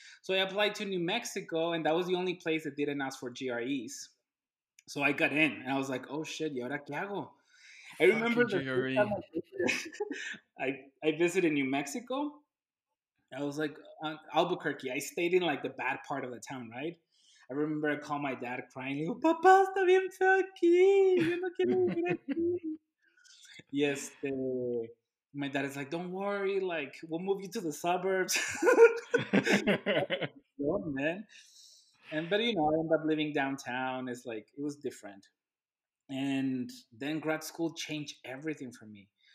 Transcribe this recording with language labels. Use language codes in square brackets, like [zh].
[en] So I applied to New Mexico, and that was the only place that didn't ask for GREs. So I got in, and I was like, oh, shit, [es] ¿y ahora qué hago? [en] I remember the first time I visited New Mexico. I was like, Albuquerque. I stayed in like the bad part of the town, right? I remember I called my dad crying. [es] Like, Papá, está bien feo aquí. Yo no quiero vivir aquí. [en] Yes, my dad is like, don't worry. Like, we'll move you to the suburbs. Yeah, man. But you know, I ended up living downtown. It's like, it was different. And then grad school changed everything for me.